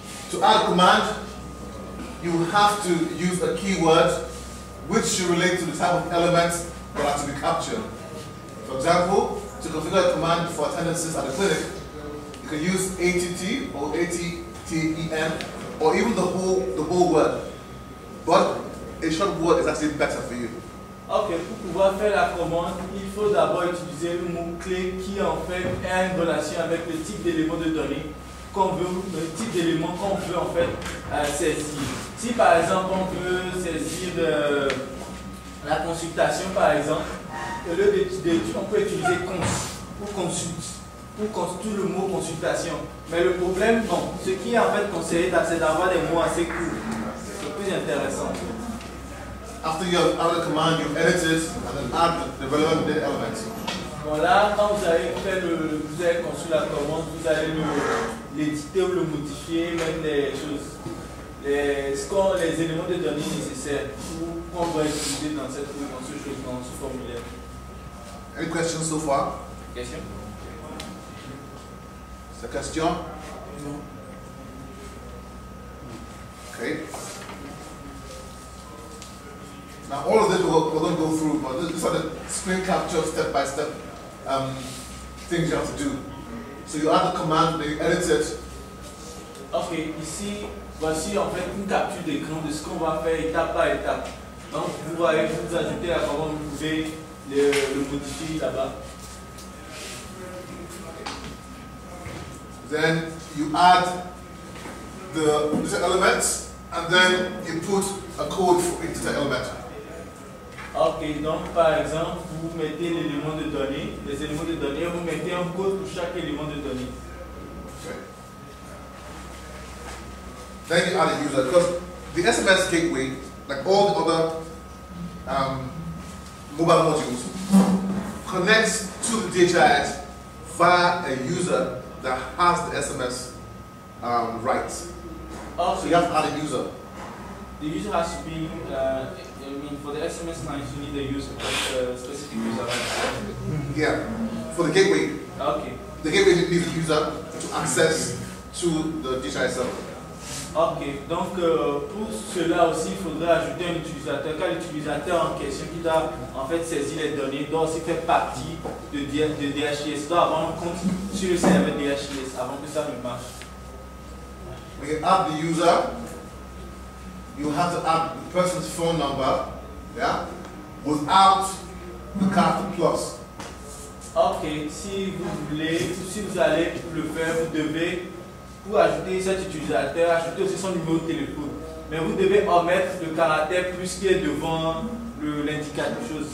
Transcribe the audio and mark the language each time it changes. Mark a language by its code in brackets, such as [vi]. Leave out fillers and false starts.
[en] To add command, you have to use a keyword which should relate to the type of element that has to be captured. For example, to configure a command for attendances at the clinic, you can use ATT or ATTEM or even the whole word. But a short word is actually better for you. [fr] Okay, pour pouvoir faire la commande, il faut d'abord utiliser le mot clé qui en fait a une relation avec le type d'élément de données qu'on veut, le type d'élément qu'on veut en fait saisir. Si par exemple on veut saisir la consultation par exemple, au lieu d'étudier, on peut utiliser cons ou consulte, ou tout le mot consultation. Mais le problème, bon, ce qui est en fait conseillé, c'est d'avoir des mots assez courts. C'est le plus intéressant. [en] After you have added the command, you edit it and then add the relevant data element. [fr] Voilà, quand vous avez fait vous avez conçu la commande, vous allez l'éditer ou le modifier, mettre les choses, les éléments de données nécessaires pour qu'on va utiliser dans dans ce formulaire. [en] Any questions so far? Question? [fr] C'est la question? Non. [en] Okay. Now all of this we're going to go through, but this is the screen capture step by step things you have to do. So you add the command, then you edit it. [fr] Okay, ici, voici en fait une capture d'écran de ce qu'on va faire étape par étape. Donc vous voyez, vous ajoutez à comment vous pouvez le modifier là-bas. [en] Then you add the data element, and then you put a code for each data element. [fr] Ok, donc par exemple, vous mettez l'élément de données, les éléments de données, vous mettez un code pour chaque élément de données. [en] Okay. Then you add a user, because the SMS gateway, like all the other mobile modules, connects to the DHIS via a user that has the SMS rights. Okay. So you have to add a user. The user has to be, for the SMS lines, you need a user, a specific user. Yeah, for the gateway. Okay. The gateway needs a user to access to the DHIS server. [fr] Okay, donc pour cela aussi, il faudrait ajouter un utilisateur. Quand l'utilisateur en question qui doit en fait saisir les données doit aussi faire partie de DHIS, doit avoir un compte sur le serveur DHIS avant que ça ne marche. [en] We add the user. You have to add the person's phone number, yeah, without the character plus. [fr] Okay, si vous voulez, si vous allez le faire, vous devez, pour ajouter cet utilisateur, ajouter aussi son numéro de téléphone. Mais vous devez omettre le caractère plus qui est devant l'indicatif.